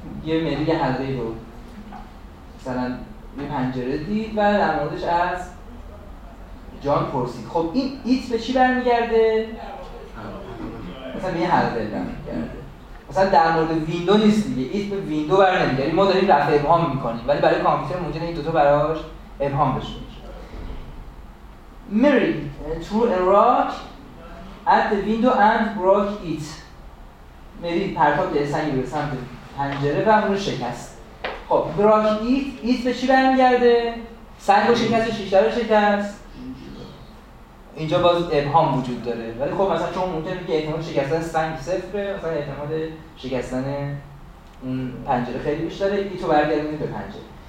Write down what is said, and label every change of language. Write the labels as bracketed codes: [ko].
[fa] یه مری یه حلقه رو مثلا یه پنجره دید و در موردش از جان پرسید. خب این ایت به چی برمیگرده؟ مثلا به یه حلقه برمیگرده، مثلا در مورد ویندو نیست دیگه، ایت به ویندو برنمیگرده، ما داریم رفع ابهام میکنیم ولی برای کامپیوتر ممکنه این دوتا براش ابهام بشه. [en] Mary threw a rock at the window and broke it. [fa] Mary پرتاب یه سنگی به سمت پنجره و اون رو شکست. خب براک ایت، ایت به چی برمیگرده؟ سنگ رو شکست و شیشه رو شکست. اینجا باز ابهام وجود داره، ولی خب مثلا چون ممکنه که احتمال شکستن سنگ صفره، مثلا احتمال شکستن پنجره خیلی بیشتره، ایتو برگردونی به پنجره.